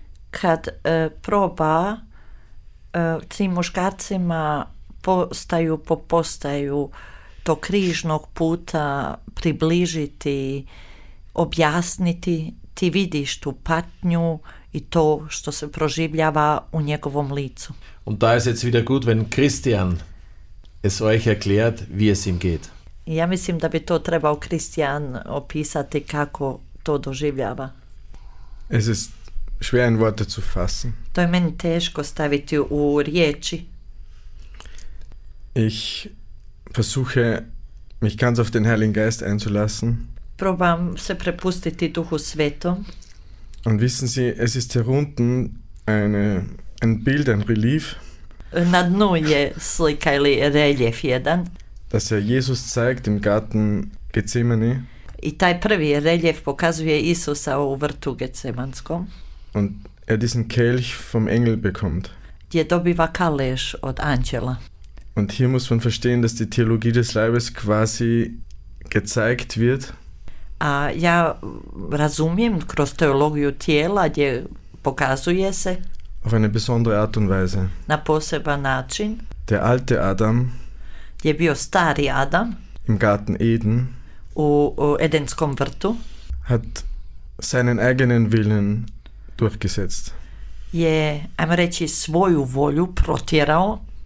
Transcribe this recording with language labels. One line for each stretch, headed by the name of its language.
Croatian: Kad proba tim muškarcima postaju po postaju to križnog puta približiti, objasniti, ti vidiš tu patnju i to što se proživljava u njegovom licu.
German: Und da ist jetzt wieder gut, wenn Christian es euch erklärt, wie es ihm geht.
Croatian: Ja mislim da bi to trebao Christian opisati kako to doživljava.
German: Es ist schwer in Worte zu fassen.
Croatian: To je meni teško staviti u riječi.
German: Ich versuche, mich ganz auf den Heiligen Geist einzulassen.
Croatian: Probam se prepustiti Duhu Svetom.
German: Und wissen Sie, es ist hier unten ein Bild, ein Relief.
Croatian: Na dnu je slika ili reljef jedan.
German: Dass er Jesus zeigt im Garten Gethsemane.
Croatian: I taj prvi reljef pokazuje Isusa u vrtu Getsemanskom.
German: Und er diesen Kelch vom Engel bekommt.
Croatian: Je dobiva kaleš od anđela.
German: Und hier muss man verstehen, dass die Theologie des Leibes quasi gezeigt wird.
Croatian: A ja razumijem kroz teologiju tijela gdje pokazuje se.
German: Auf eine besondere Art und Weise.
Croatian: Na poseban način.
German: Der alte Adam.
Croatian: Je bio stari Adam.
German: Im Garten Eden.
Croatian: U Edenskom vrtu.
German: Hat seinen eigenen Willen durchgesetzt.
Croatian: Je, ajmo reći, svoju volju protjerao.